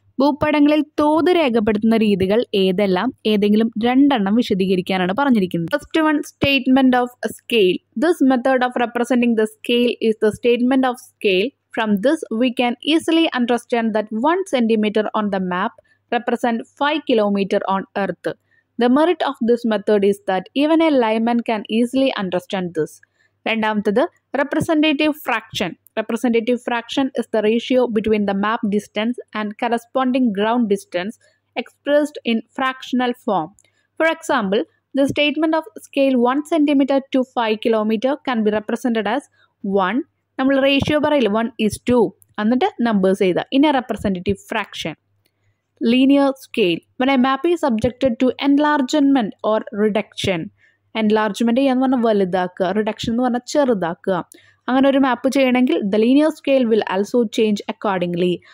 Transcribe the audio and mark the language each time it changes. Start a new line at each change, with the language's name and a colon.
Malayalam: ഭൂപടങ്ങളിൽ തോത് രേഖപ്പെടുത്തുന്ന രീതികൾ ഏതെല്ലാം, ഏതെങ്കിലും രണ്ടെണ്ണം വിശദീകരിക്കാനാണ് പറഞ്ഞിരിക്കുന്നത്.
English: First one, statement of scale. This method of representing the scale is the statement of scale. From this we can easily understand that 1 centimeter on the map represent 5 kilometer on earth. The merit of this method is that even a layman can easily understand this.
Malayalam: രണ്ടാമത്തേത്,
English: representative fraction. Representative fraction is the ratio between the map distance and corresponding ground distance expressed in fractional form. For example, the statement of scale 1 centimeter to 5 kilometer can be represented as 1.
Malayalam: നമ്മൾ ratio പറയില്ല 1:2 എന്നിട്ട് numbers ചെയ്താൽ.
English: In a representative fraction. Linear scale, when a map is subjected to enlargement or reduction.
Malayalam: Enlargement എന്ന് പറഞ്ഞാൽ വലുതാക്കുക, reduction എന്ന് പറഞ്ഞാൽ ചെറുതാക്കുക. അങ്ങനെ ഒരു മാപ്പ് ചെയ്യണമെങ്കിൽ
English: The linear scale will also change accordingly.